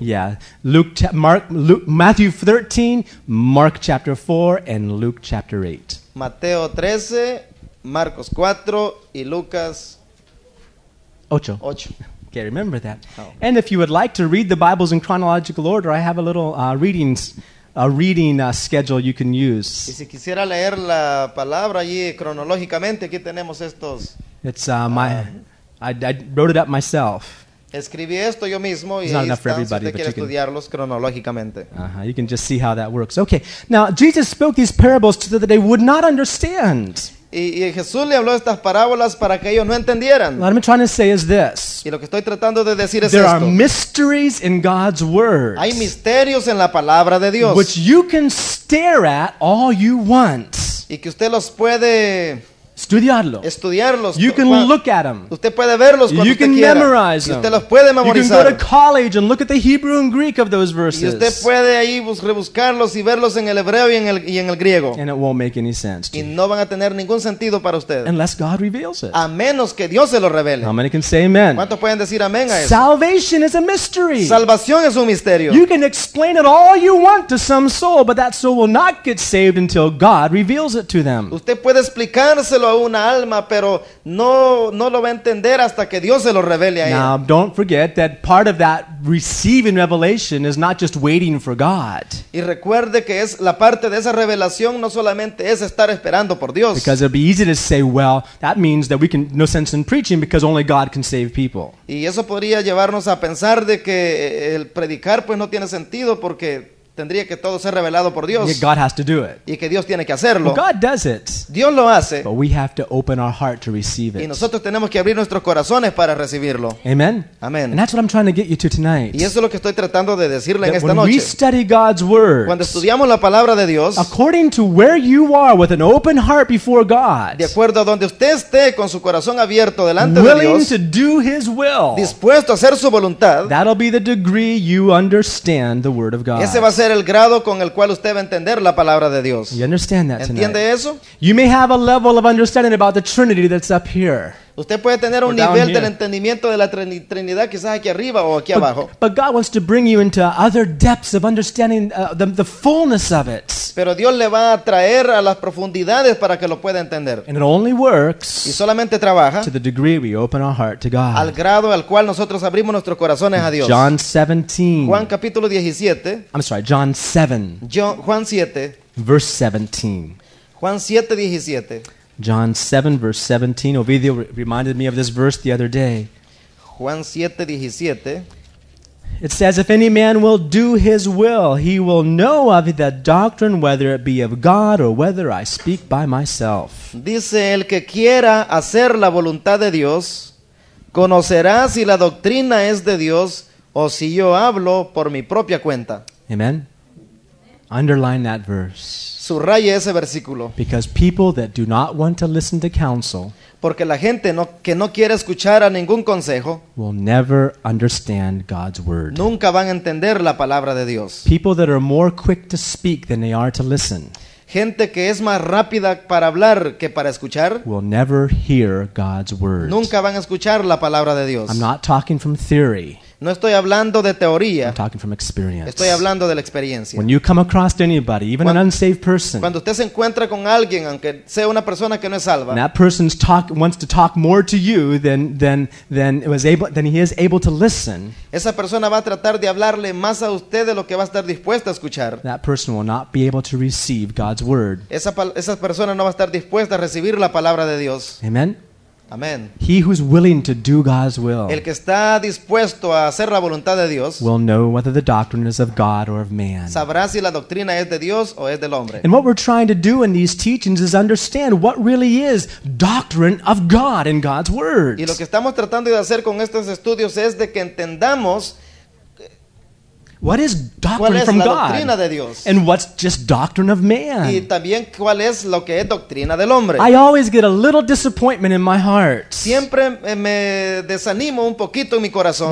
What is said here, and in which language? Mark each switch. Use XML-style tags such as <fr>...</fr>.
<en>Yeah. Matthew 13, Mark chapter 4, and Luke chapter 8.</en> <es>Mateo 13. Marcos 4 y Lucas</es> <en>8. Okay, remember that. Oh. And if you would like to read the Bibles in chronological order, I have a little reading schedule you can use.</en> <es>Y si quisiera leer la palabra allí cronológicamente, aquí tenemos estos.</es> <en>It's I wrote it up myself.</en> <es>Escribí esto yo mismo y están, si usted quiere estudiarlos cronológicamente.</es> <en>You can just see how that works. Okay, now Jesus spoke these parables so that they would not understand.</en> <es>Y Jesús le habló estas parábolas para que ellos no entendieran.</es> <en>What I'm trying to say is this.</en> <es>Y lo que estoy tratando de decir es esto.</es> <en>There are mysteries in God's word.</en> <es>Hay misterios en la palabra de Dios.</es> <en>Which you can stare at all you want.</en> <es>Y que usted los puede estudiarlos.</es> <en>You can look at them.</en> <es>Usted puede verlos cuando</es> <en>you can</en> <es>usted quiera.</es> <en>Memorize them.</en> <es>Y usted los puede memorizar.</es> <en>You can go to college and look at the Hebrew and Greek of those verses.</en> <es>Y usted puede ahí rebuscarlos y verlos en el hebreo y en el griego.</es> <en>And it won't make any sense.</en> <es>Y no van a tener ningún sentido para usted.</es> <en>Unless God reveals it.</en> <es>A menos que Dios se lo revele.</es> <en>How many can say amen?</en> <es>¿Cuántos pueden decir amén a eso?</es> <en>Salvation is a mystery.</en> <es>Salvación es un misterio.</es> <en>You can explain it all you want to some soul, but that soul will not get saved until God reveals it to them.</en> <es>Usted puede explicárselo una alma, pero no lo va a entender hasta que Dios se lo revele a él.</es> <en>Now, don't forget that part of that receiving revelation is not just waiting for God.</en> <es>Y recuerde que es la parte de esa revelación no solamente es estar esperando por Dios.</es> <en>Because it'd be easy to say, well, that means that we can no sense in preaching because only God can save people.</en> <es>Y eso podría llevarnos a pensar de que el predicar pues no tiene sentido porque tendría que todo ser revelado por Dios.</es> <en>God has to do it.</en> <es>Y que Dios tiene que hacerlo.</es> <en>Well, God does it.</en> <es>Dios lo hace.</es> <en>But we have to open our heart to receive it.</en> <es>Y nosotros tenemos que abrir nuestros corazones para recibirlo.</es> <en>Amen.</en> <es>Amen.</es> <en>And that's what I'm trying to get you to tonight.</en> <es>Y eso es lo que estoy tratando de decirle</es> <en>that</en> <es>en esta noche.</es> <en>When we study God's word.</en> <es>Cuando estudiamos la palabra de Dios.</es> <en>According to where you are with an open heart before God.</en> <es>De acuerdo a donde usted esté con su corazón abierto delante de</es> <en>willing</en> <es>Dios.</es> <en>Willing to do his will.</en> <es>Dispuesto a hacer su voluntad.</es> <en>That'll be the degree you understand the word of God.</en> <es>Ese va a ser el grado con el cual usted va a entender la palabra de Dios.</es> <en>You understand that tonight.</en> <es>¿Entiende eso?</es> <en>You may have a level of understanding about the Trinity that's up here.</en> <es>Usted puede tener un nivel del entendimiento de la Trinidad quizás aquí arriba o aquí abajo.</es> <en>But God wants to bring you into other depths of understanding the fullness of it.</en> <es>Pero Dios le va a traer a las profundidades para que lo pueda entender.</es> <en>And it only works</en> <es>y solamente trabaja</es> <en>to the degree we open our heart to God.</en> <es>Al grado al cual nosotros abrimos nuestros corazones a Dios.</es> <en>John 17.</en> <es>Juan capítulo 17.</es> <en>I'm sorry, John 7.</en> <es>Juan 7.</es> <en>Verse 17.</en> <es>Juan 7, 17.</es> <en>John 7, verse 17. Ovidio reminded me of this verse the other day.</en> <es>Juan 7, 17.</es> <en>It says, if any man will do his will, he will know of the doctrine, whether it be of God or whether I speak by myself.</en> <es>Dice, el que quiera hacer la voluntad de Dios, conocerá si la doctrina es de Dios o si yo hablo por mi propia cuenta.</es> <en>Amen. Underline that verse.</en> <es>Subraye ese versículo.</es> <en>Because people that do not want to listen to counsel,</en> <es>porque la gente no, que no quiere escuchar a ningún consejo,</es> <en>will never understand God's word.</en> <es>Nunca van a entender la palabra de Dios.</es> <en>People that are more quick to speak than they are to listen,</en> <es>gente que es más rápida para hablar que para escuchar,</es> <en>will never hear God's word.</en> <es>Nunca van a escuchar la palabra de Dios.</es> <en>I'm not talking from theory.</en> <es>No estoy hablando de teoría.</es> <en>I'm talking from experience.</en> <es>Estoy hablando de la experiencia.</es> <en>When you come across anybody, even an unsaved person,</en> <es>cuando usted se encuentra con alguien, aunque sea una persona que no es salva,</es> <en>that person wants to talk more to you than he is able to listen.</en> <es>Esa persona va a tratar de hablarle más a usted de lo que va a estar dispuesta a escuchar.</es> <en>That person will not be able to receive God's word.</en> <es>Esa persona no va a estar dispuesta a recibir la palabra de Dios.</es> <en>Amen.</en> <es>Amen.</es> <en>He who's willing to do God's will,</en> <es>el que está dispuesto a hacer la voluntad de Dios,</es> <en>will know whether the doctrine is of God or of man.</en> <es>Sabrá si la doctrina es de Dios o es del hombre.</es> <en>And what we're trying to do in these teachings is understand what really is doctrine of God in God's word.</en> <es>Y lo que estamos tratando de hacer con estos estudios es de que entendamos</es> <en>what is doctrine</en> <es>¿cuál es</es> <en>from</en> <es>la</es> <en>God?</en> <es>Doctrina de Dios?</es> <en>And what's just doctrine of man?</en> <es>Y también, ¿cuál es lo que es doctrina del hombre?</es> <en>I always get a little disappointment in my heart.</en> <es>Siempre me desanimo un poquito en mi corazón.</es>